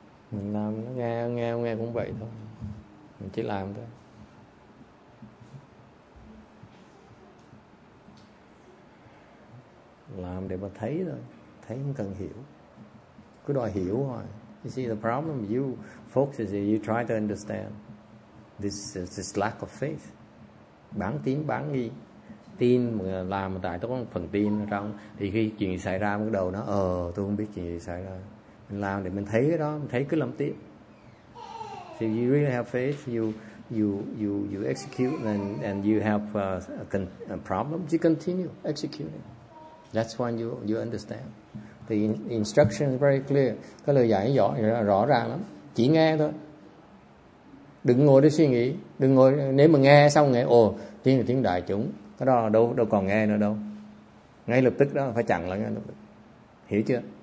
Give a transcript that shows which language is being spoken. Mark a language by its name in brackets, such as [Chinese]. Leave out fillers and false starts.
[Vietnamese] Mình làm nó nghe cũng vậy thôi. Mình chỉ làm thôi. Làm để mà thấy thôi, thấy không cần hiểu. Cứ đòi hiểu thôi. [English] You see the problem with you folks is you try to understand this lack of faith. [Vietnamese] Bán tín bán nghi. Tin làm tại tôi có một phần tin trong thì khi chuyện xảy ra bắt đầu nó tôi không biết chuyện gì xảy ra, mình làm để mình thấy cái đó, mình thấy cứ làm tiếp. [English] So you really have faith, you execute and you have a problem, you continue executing. That's when you understand the instruction is very clear. [Vietnamese] Cái lời dạy rõ ràng lắm, chỉ nghe thôi, đừng ngồi để suy nghĩ, đừng ngồi nếu mà nghe xong nghe tiếng là tiếng đại chúng. Cái đó đâu còn nghe nữa đâu. Ngay lập tức đó phải chặn lại ngay lập tức. Hiểu chưa?